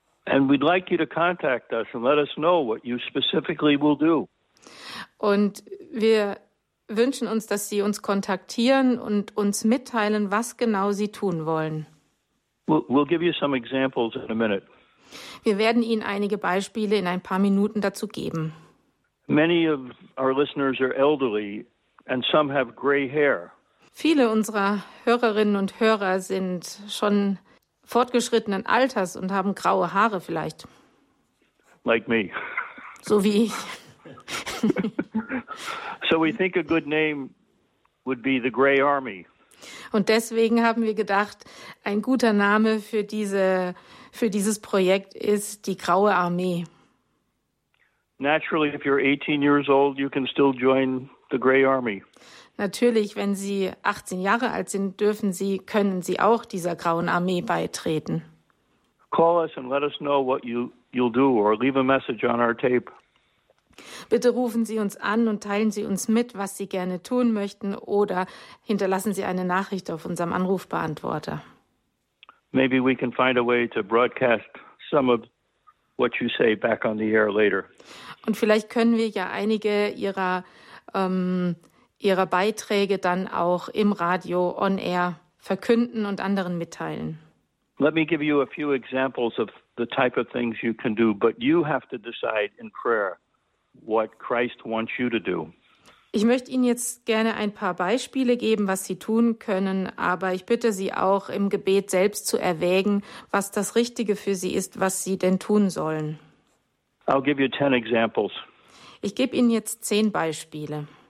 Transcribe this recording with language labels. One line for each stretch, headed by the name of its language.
English: And we'd like you to contact us and let us know what you specifically will do.
German: Und wir wünschen uns, dass Sie uns kontaktieren und uns mitteilen, was genau Sie tun wollen.
English: We'll give you some examples in a minute.
German: Wir werden Ihnen einige Beispiele in ein paar Minuten dazu geben.
English: Many of our listeners are elderly and some have gray hair.
German: Viele unserer Hörerinnen und Hörer sind schon fortgeschrittenen Alters und haben graue Haare vielleicht.
English: Like me.
German: So wie ich.
English: So we think a good name would be the Gray Army.
German: Und deswegen haben wir gedacht, ein guter Name für dieses Projekt ist die Graue Armee.
English: Naturally, if you're 18 years old, you can still join the Gray Army.
German: Natürlich, wenn Sie 18 Jahre alt sind, können Sie auch dieser Grauen Armee beitreten.
English: Call us and let us know what you'll do or leave a message on our tape.
German: Bitte rufen Sie uns an und teilen Sie uns mit, was Sie gerne tun möchten, oder hinterlassen Sie eine Nachricht auf unserem Anrufbeantworter.
English: Maybe we can find a way to broadcast some of what you say back on the air later.
German: Und vielleicht können wir ja einige ihrer Beiträge dann auch im Radio on air verkünden und anderen mitteilen.
English: Let me give you a few examples of the type of things you can do, but you have to decide in prayer what Christ wants you to do.
German: Ich möchte Ihnen jetzt gerne ein paar Beispiele geben, was Sie tun können, aber ich bitte Sie auch, im Gebet selbst zu erwägen, was das Richtige für Sie ist, was Sie denn tun sollen.
English: I'll give you 10 examples.
German: Ich gebe Ihnen jetzt 10 Beispiele.